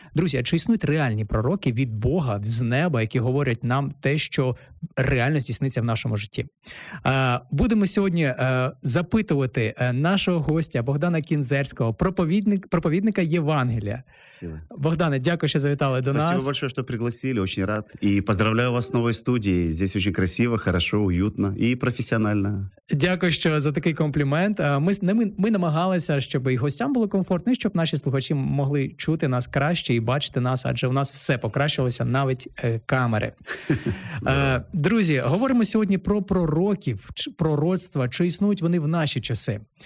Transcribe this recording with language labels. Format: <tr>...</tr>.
<uk>Друзі, а чи існують реальні пророки від Бога, з неба, які говорять нам те, що реально здійсниться в нашому житті? Будемо сьогодні запитувати нашого гостя Богдана Кінзерського, проповідника Євангелія. Богдане, дякую, що завітали до нас.</uk> <ru>Спасибо большое, что пригласили, очень рад. И поздравляю вас с новой студией. Здесь очень красиво, хорошо, уютно и профессионально.</ru> <uk>Дякую, що за такий комплімент. Ми намагалися, щоб і гостям було комфортно, і щоб наші слухачі могли чути нас краще і бачити нас, адже у нас все покращилося, навіть камери. Друзі, говоримо сьогодні про пророків, пророцтва, чи існують вони в наші часи.</uk>